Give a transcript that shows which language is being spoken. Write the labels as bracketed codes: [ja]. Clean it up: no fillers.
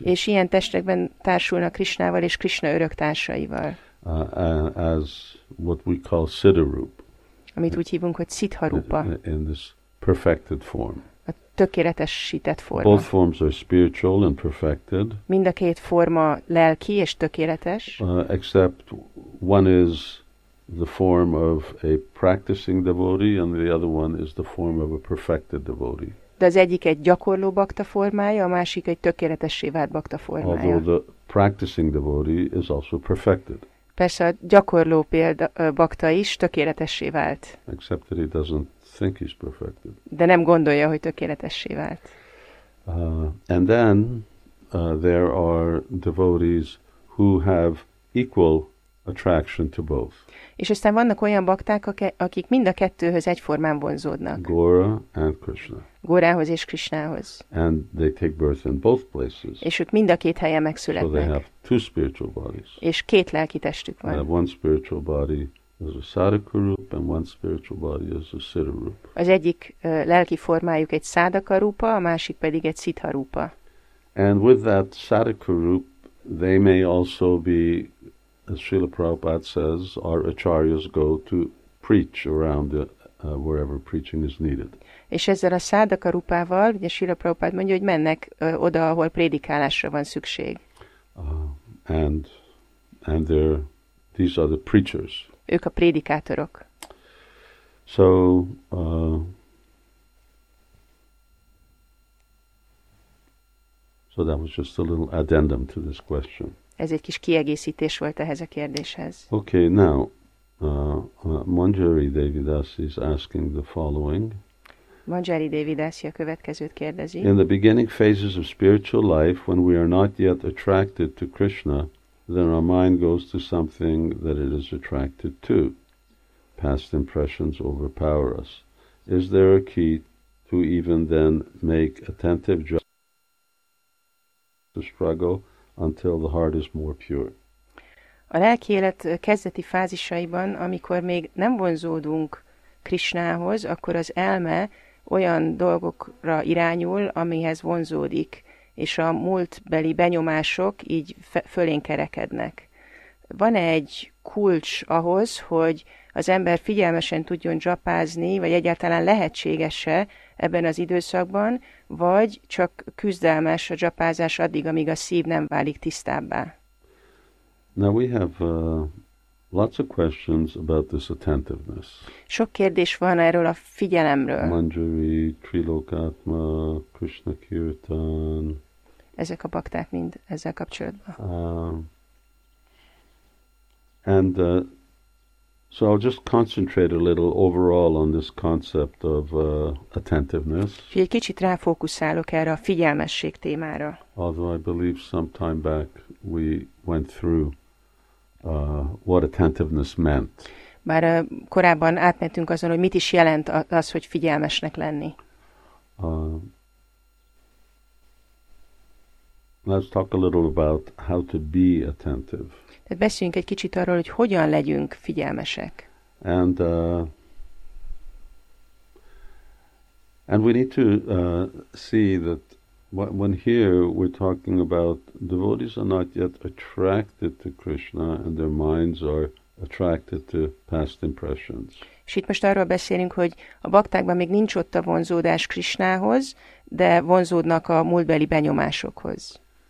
[hu] És ilyen testekben társulnak Krishnával és Krishna örök társaival. [en] As what we call Siddha Rupa. [hu] Amit úgy hívunk, hogy Siddha Rupa. [en] In this perfected form. [hu] A tökéletesített forma. [en] Both forms are spiritual and perfected. [hu] Mind a két forma lelki és tökéletes. [en] Except one is the form of a practicing devotee, and the other one is the form of a perfected devotee. [hu] De az egyik egy gyakorló bakta formája, a másik egy tökéletessé vált bakta formája. [en] Although the practicing devotee is also perfected. [hu] Persze a gyakorló példa, bakta is tökéletessé vált. [en] Except that he doesn't think he's perfected. [hu] De nem gondolja, hogy tökéletessé vált. [en] And then there are devotees who have equal attraction to both. [hu] És aztán vannak olyan bakták, akik mind a kettőhöz egyformán vonzódnak. [en] Gaura and Krishna. [hu] Gaurához és Krishnához. [en] And they take birth in both places. [hu] És ők mind a két helyen megszületnek. [en] So they have two spiritual bodies. [hu] És két lelki testük van. [en] One spiritual body is a sadaka rupa and one spiritual body is a siddha rupa. [hu] Az egyik lelki formájuk egy sadaka rupa, a másik pedig egy siddha rupa. [en] And with that sadaka rupa, they may also be, as Srila Prabhupada says, our acharyas go to preach around wherever preaching is needed. [hu] És ezzel a sadaka rupával, ugye Srila Prabhupada mondja, hogy mennek oda, ahol prédikálásra van szükség. [en] And these are the preachers. [hu] Ők a prédikátorok. [en] So, so that was just a little addendum to this question. [hu] Ez egy kis kiegészítés volt ehhez a kérdéshez. [en] Okay, now, Manjari Devidas is asking the following. [hu] Manjari Devidasi a következőt kérdezi. [en] In the beginning phases of spiritual life, when we are not yet attracted to Krishna, then our mind goes to something that it is attracted to. Past impressions overpower us. Is there a key to even then make attentive judgment to struggle until the heart is more pure? [hu] A lelki élet kezdeti fázisaiban, amikor még nem vonzódunk Krishnához, akkor az elme olyan dolgokra irányul, amihez vonzódik, és a múltbeli benyomások így fölén kerekednek. Van egy kulcs ahhoz, hogy az ember figyelmesen tudjon japázni, vagy egyáltalán lehetséges-e ebben az időszakban, vagy csak küzdelmes a japázás addig, amíg a szív nem válik tisztábbá? [en] Now we have lots of questions about this attentiveness. [hu] Sok kérdés van erről a figyelemről. [en] Manjari, Trilokatma, Krishna Kirtan. [hu] Ezek a bakták mind ezzel kapcsolatban. [en] So I'll just concentrate a little overall on this concept of attentiveness. [hu] Egy kicsit ráfókuszálok erre a figyelmesség témára. [en] Although I believe some time back we went through what attentiveness meant. [hu] Bár korábban átmentünk azon, hogy mit is jelent az, hogy figyelmesnek lenni. [en] Let's talk a little about how to be attentive. [hu] Tehát beszéljünk egy kicsit arról, hogy hogyan legyünk figyelmesek. [en] And we need to see that when here we're talking about devotees are not yet attracted to Krishna and their minds are attracted to past impressions. [hu] És itt most arról beszélünk, hogy a baktákban még nincs ott a vonzódás Krishnához, de vonzódnak a múltbeli benyomásokhoz.